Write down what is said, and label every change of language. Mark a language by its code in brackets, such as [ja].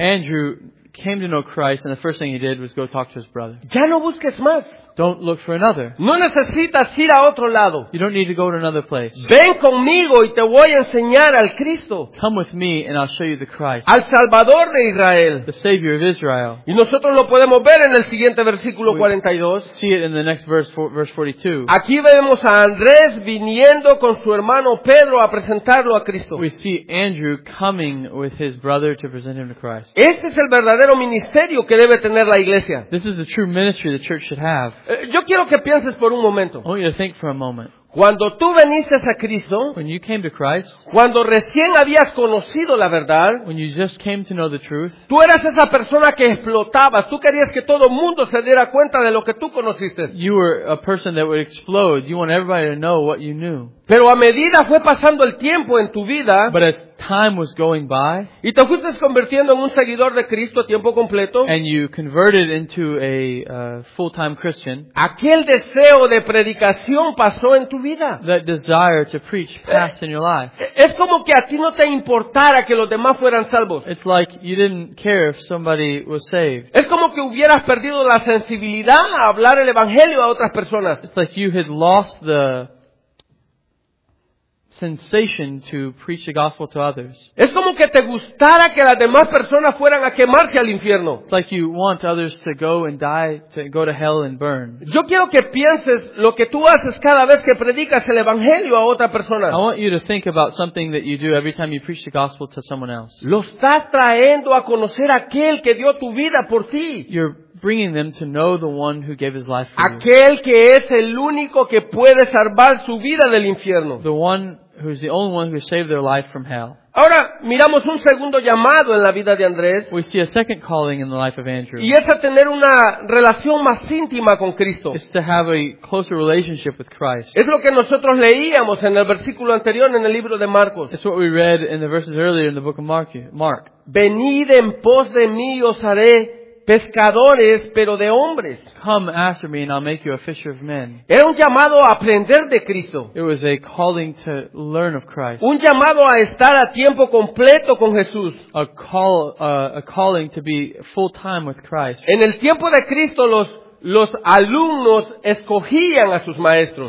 [en] Andrew came to know Christ and the first thing he did was go talk to his brother. [es] Ya no busques más. [en] Don't look for another. [es] No necesitas ir a otro lado. [en] You don't need to go to another place. [es] Ven conmigo y te voy a enseñar al Cristo. [en] Come with me and I'll show you the Christ. [es] Al Salvador de Israel. [en] The Savior of Israel. [es] Y nosotros lo podemos ver en el siguiente versículo 42. [en] We see it in the next verse 42. [es] Aquí vemos a Andrés viniendo con su hermano Pedro a presentarlo a Cristo. [en] We see Andrew coming with his brother to present him to Christ. [es] Este es el verdadero ministerio que debe tener la iglesia. [en] This is the true ministry the church should have. [es] Yo quiero que pienses por un momento. [en] I want you to think for a moment. [es] Cuando tú viniste a Cristo, [en] when you came to Christ, [es] cuando recién habías conocido la verdad, [en] when you just came to know the truth, [es] tú eras esa persona que explotabas. Tú querías que todo mundo se diera cuenta de lo que tú conociste. [en] You were a person that would explode. You want everybody to know what you knew. [es] Pero a medida fue pasando el tiempo en tu vida, [en] but as time was going by, [es] y te fuiste convirtiendo en un seguidor de Cristo a tiempo completo, [en] and you converted into a full-time Christian, [es] aquel deseo de predicación pasó en tu vida. [en] That desire to preach passed in your life. [es] Es como que a ti no te importara que los demás fueran salvos. [en] It's like you didn't care if somebody was saved. [es] Es como que hubieras perdido la sensibilidad a hablar el evangelio a otras personas. [en] It's like you had lost the sensation to preach the gospel to others. [es] Es como que te gustara que las demás personas fueran a quemarse al infierno. [en] It's like you want others to go and die, to go to hell and burn. [es] Yo quiero que pienses lo que tú haces cada vez que predicas el evangelio a otra persona. [en] I want you to think about something that you do every time you preach the gospel to someone else. [es] Lo estás trayendo a conocer aquel que dio tu vida por ti. [en] You're bringing them to know the one who gave his life for [es] aquel [en] you. [es] Aquel que es el único que puede salvar su vida del infierno. [en] The one who is the only one who saved their life from hell. [es] Ahora miramos un segundo llamado en la vida de Andrés. [en] We see a second calling in the life of Andrew. [es] Y es a tener una relación más íntima con Cristo. [en] It's to have a closer relationship with Christ. [es] Es lo que nosotros leíamos en el versículo anterior en el libro de Marcos. [en] It's what we read in the verses earlier in the book of Mark. [es] Venid en pos de mí, os haré pescadores, pero de hombres. [en] Come after me, and I'll make you a fisher of men. [es] Era un llamado a aprender de Cristo. [en] It was a calling to learn of Christ. [es] Un llamado a estar a tiempo completo con Jesús. [en] A calling to be full time with Christ. [es] En el tiempo de Cristo, los alumnos escogían a sus maestros.